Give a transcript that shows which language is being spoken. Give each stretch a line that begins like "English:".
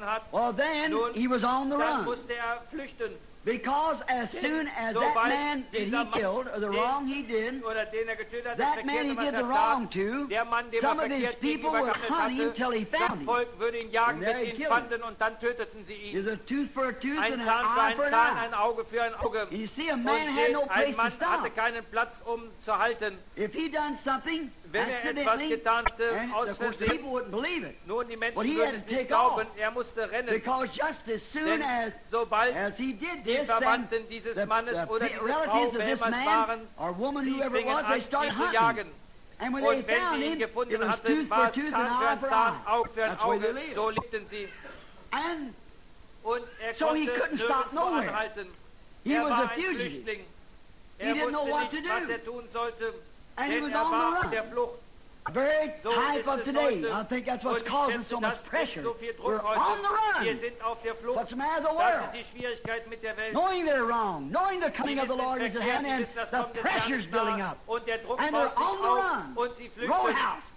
English: well then he was on the run. Because as soon as that man that he killed, or the wrong he did, that man he did the wrong to, some of his people would hunt him until he found him. And there he killed him. There's a tooth for a tooth and an eye for an eye. You see, a man had no place to stop. If he done something,
German: wenn er etwas getan hatte, aus Versehen, nun, die Menschen würden es nicht glauben, er musste rennen. Denn sobald die Verwandten dieses Mannes oder diese Frau, wer immer es waren, sie fingen an, ihn zu jagen. Und wenn sie ihn gefunden hatten, war es Zahn für einen Zahn, Auge für ein Auge, so lebten sie. Und er konnte nirgendwo anhalten. Er war ein Flüchtling. Er wusste nicht, was er tun sollte.
English: And he was on the run. Very type of today. I think that's what's causing so much pressure. We're on the run. What's the matter of the world? Knowing they're wrong. Knowing the coming of the Lord is at hand. And the pressure's building up. And they're on the run. Roadhouse.